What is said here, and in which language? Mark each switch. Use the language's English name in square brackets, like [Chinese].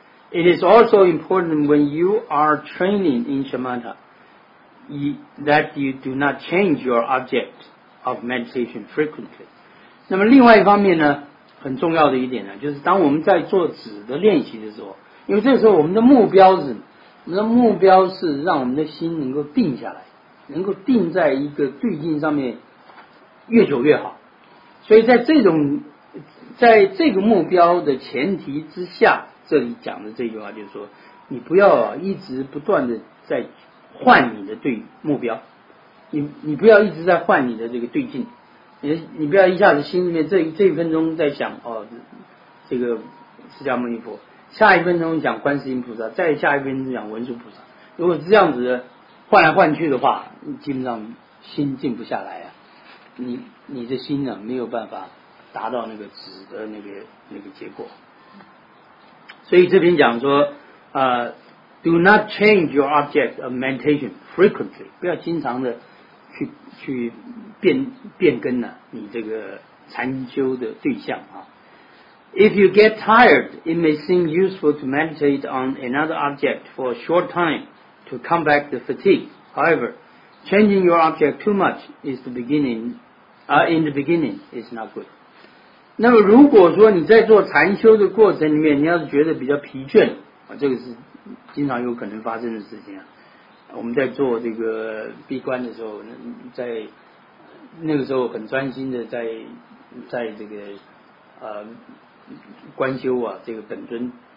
[English] It is also important when you are training in shamatha. That you do not change your object of meditation frequently. [Chinese] 那么另外一方面呢，很重要的一点呢，就是当我们在做止的练习的时候，因为这时候我们的目标是，我们的目标是让我们的心能够定下来，能够定在一个对境上面越久越好。所以在这个目标的前提之下，这里讲的这句话就是说，你不要一直不断的在换你的对目标，你不要一直在换你的这个对境，你不要一下子心里面这一分钟在想哦，这个释迦牟尼佛，下一分钟讲观世音菩萨，再下一分钟讲文殊菩萨，如果是这样子换来换去的话，基本上心静不下来啊，你的心呢没有办法达到那个止的那个结果，所以这边讲说 [English] Do not change your object of meditation frequently. [Chinese] 不要经常的去变更呢、啊，你这个禅修的对象啊。 [English] If you get tired, it may seem useful to meditate on another object for a short time to combat the fatigue. However, changing your object too much is the beginning. In the beginning, is not good. [Chinese] 那么如果说你在做禅修的过程里面，你要是觉得比较疲倦啊，这个是经常有可能发生的事情啊。我们在做这个闭关的时候，在那个时候很专心的在这个观修啊，这个本尊，